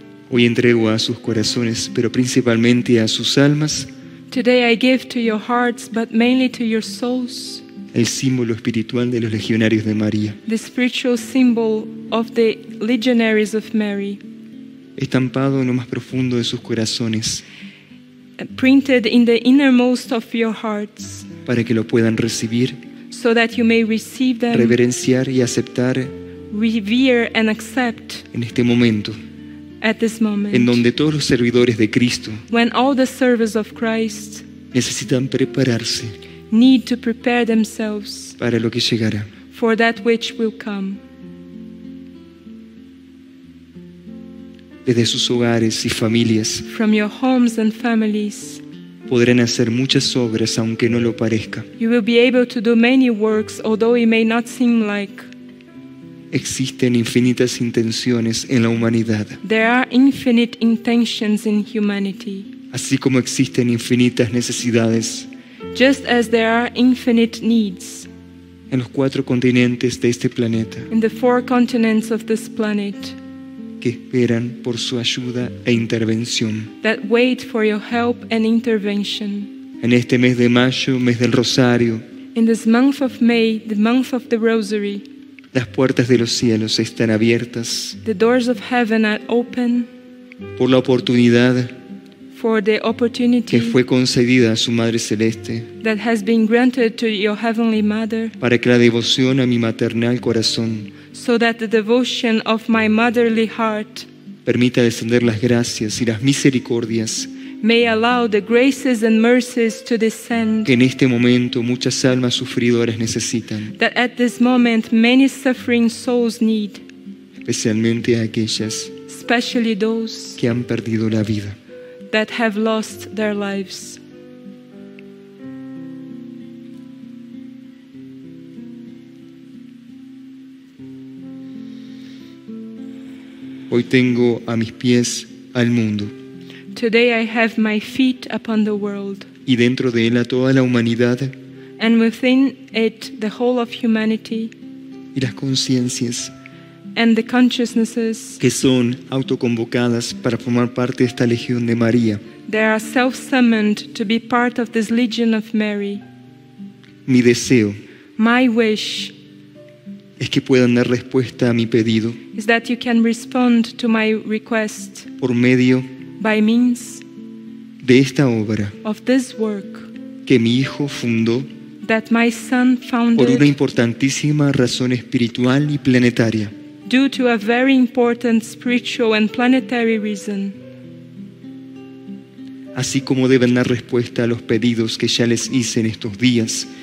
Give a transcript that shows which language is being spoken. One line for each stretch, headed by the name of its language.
Spanish: Hoy entrego a sus corazones, pero principalmente a sus almas.
English: Today I give to your hearts, but mainly to your souls.
Spanish: El símbolo espiritual de los legionarios de María.
English: The spiritual symbol of the legionaries of Mary.
Spanish: Estampado en lo más profundo de sus corazones.
English: Printed in the innermost of your hearts.
Spanish: Para que lo puedan recibir.
English: So that you may receive them.
Spanish: Reverenciar y aceptar.
English: Revere and accept.
Spanish: En este momento.
English: At this moment,
Spanish: en donde todos los servidores de Cristo,
English: when all the servants of Christ,
Spanish: necesitan prepararse,
English: need to prepare themselves,
Spanish: para lo que llegará,
English: for that which will come,
Spanish: desde sus hogares y familias,
English: from your homes and families,
Spanish: podrán hacer muchas obras aunque no lo parezca,
English: you will be able to do many works although it may not seem like.
Spanish: Existen infinitas intenciones en la humanidad.
English: There are infinite intentions in humanity.
Spanish: Así como existen infinitas necesidades.
English: Just as there are infinite needs.
Spanish: En los cuatro continentes de este planeta.
English: In the four continents of this planet.
Spanish: Que esperan por su ayuda e intervención.
English: That wait for your help and intervention.
Spanish: En este mes de mayo, mes del rosario.
English: In this month of May, the month of the Rosary.
Spanish: Las puertas de los cielos están abiertas.
English: The doors of heaven are open.
Spanish: Por la oportunidad.
English: For the opportunity.
Spanish: Que fue concedida a su madre celeste.
English: That has been granted to your heavenly mother.
Spanish: Para que la devoción a mi maternal corazón.
English: So that the devotion of my motherly heart.
Spanish: Permita descender las gracias y las misericordias.
English: May allow the graces and mercies to descend.
Spanish: Que en este momento muchas almas sufridoras necesitan.
English: That at this moment many suffering souls need.
Spanish: Especialmente aquellas.
English: Especially those
Spanish: que han perdido la vida.
English: That have lost their lives.
Spanish: Hoy tengo a mis pies al mundo.
English: Today I have my feet upon the world.
Spanish: Y dentro de él a toda la humanidad.
English: And within it the whole of humanity.
Spanish: Y las conciencias.
English: And the consciousnesses.
Spanish: Que son autoconvocadas para formar parte de esta legión de María.
English: They are self-summoned to be part of this legion of Mary.
Spanish: Mi deseo.
English: My wish.
Spanish: Es que puedan dar respuesta a mi pedido.
English: Is that you can respond to my request.
Spanish: Por medio.
English: By means
Spanish: de esta obra
English: of this work
Spanish: que mi hijo fundó
English: that my son founded
Spanish: por una importantísima razón espiritual y planetaria
English: due to a very important spiritual and planetary reason.
Spanish: Así como deben dar respuesta a los pedidos que ya les hice en estos días.